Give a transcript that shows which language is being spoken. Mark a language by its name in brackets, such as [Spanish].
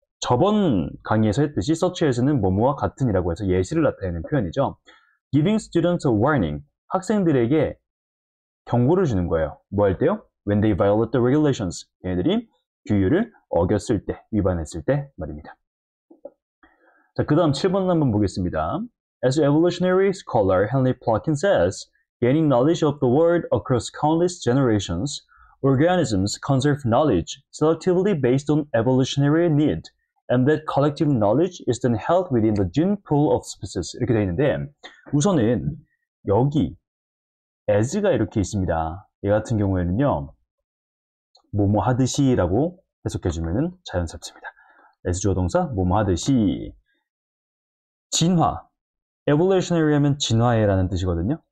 [Korean] 저번 강의에서 했듯이 such as는 뭐뭐와 같은이라고 해서 예시를 나타내는 표현이죠. [English] giving students a warning. [Korean] 학생들에게 경고를 주는 거예요. 뭐할 때요? [English] When they violate the regulations. [Korean] 얘네들이 규율을 어겼을 때, 위반했을 때 말입니다. 자, 그 다음 7번 한번 보겠습니다. [English] As evolutionary scholar Henley Plotkin says, gaining knowledge of the world across countless generations, organisms conserve knowledge selectively based on evolutionary need, and that collective knowledge is then held within the gene pool of species. [Korean] 이렇게 되어 있는데, 우선은 여기 as가 이렇게 있습니다. 얘 같은 경우에는요, 뭐뭐 하듯이라고 해석해주면 자연스럽습니다. as 조동사, 뭐뭐 하듯이. 진화. evolutionary 하면 진화해라는 뜻이거든요.